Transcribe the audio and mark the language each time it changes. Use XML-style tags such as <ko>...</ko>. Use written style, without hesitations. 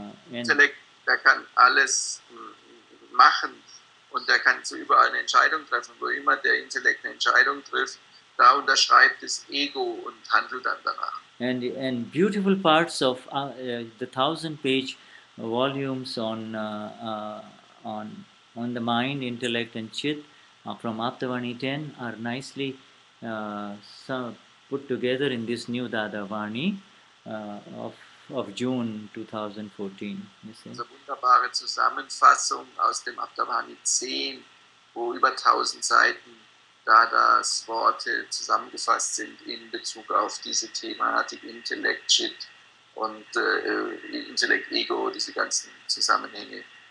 <de>Intellect, der kann alles machen und der kann zu überall eine Entscheidung treffen. Wo immer der Intellekt eine Entscheidung trifft, da unterschreibt das Ego und handelt dann danach.</de> <en>And beautiful parts of the 1,000-page volumes on the mind, intellect and chit from Aptavani 10 are nicely put together in this new Dadavani of June 2014.</en> <de>Also wunderbare Zusammenfassung aus dem Aptavani 10, wo über 1,000 Seiten Dadas Worte zusammengefasst sind in Bezug auf diese Thematik Intellect, Chit und Intellect, Ego, diese ganzen Zusammenhänge.</de>